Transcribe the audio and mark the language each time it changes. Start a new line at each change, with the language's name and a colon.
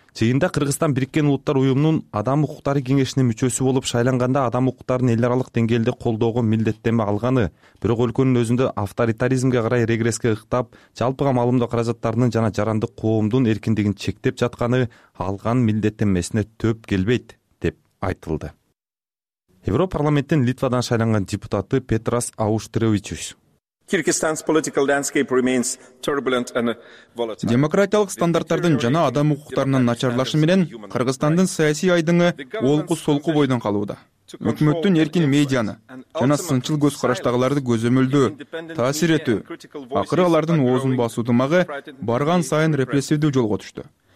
Kyrgyz: Жыйында Кыргызстан Бириккен Улуттар Уюмунун адам укуктары кеңешинин мүчөсү болуп шайланганда адам укуктарын эл аралык деңгээлде колдоого милдеттенме алганы, бирок өлкөнүн өзүндө авторитаризмге карай регресске ыктап, жалпыга маалымдоо каражаттарынын жана жарандык коомдун эркиндигин чектеп жатканы алган милдеттенмесине төп келбейт деп айтылды. Европарламенттин Литвадан шайланган депутаты Петрас Ауштревичус.
English: Kyrgyzstan's political landscape remains turbulent and volatile.
Kyrgyz: Демократиялык стандарттардын жана адам укуктарынын начарлашы менен Кыргызстандын саясий айдыңы олку-солку бойдон калууда. Өкмөттүн эркин медианы жана сынчыл көз караштагыларды көзөмөлдөө, таасир этүү, акыры алардын оозун басуу тумагы барган сайын репрессивдүү жолго түштү.